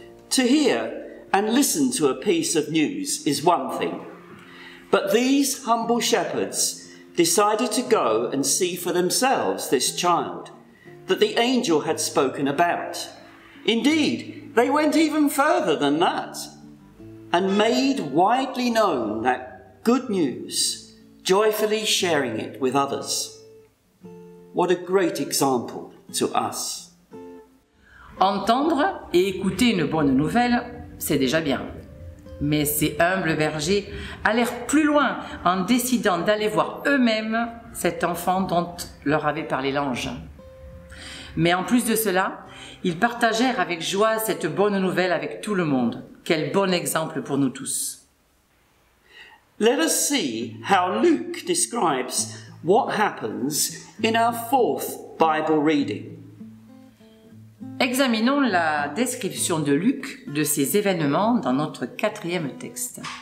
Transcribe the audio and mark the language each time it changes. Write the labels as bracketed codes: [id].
[en] To hear and listen to a piece of news is one thing, but these humble shepherds decided to go and see for themselves this child that the angel had spoken about. Indeed, they went even further than that and made widely known that good news, joyfully sharing it with others. What a great example to us. [fr] Entendre et écouter une bonne nouvelle, c'est déjà bien. Mais ces humbles bergers allèrent plus loin en décidant d'aller voir eux-mêmes cet enfant dont leur avait parlé l'ange. Mais en plus de cela, ils partagèrent avec joie cette bonne nouvelle avec tout le monde. Quel bon exemple pour nous tous. [en] Let us see how Luke describes what happens in our fourth Bible reading. [fr] Examinons la description de Luc de ces événements dans notre quatrième texte.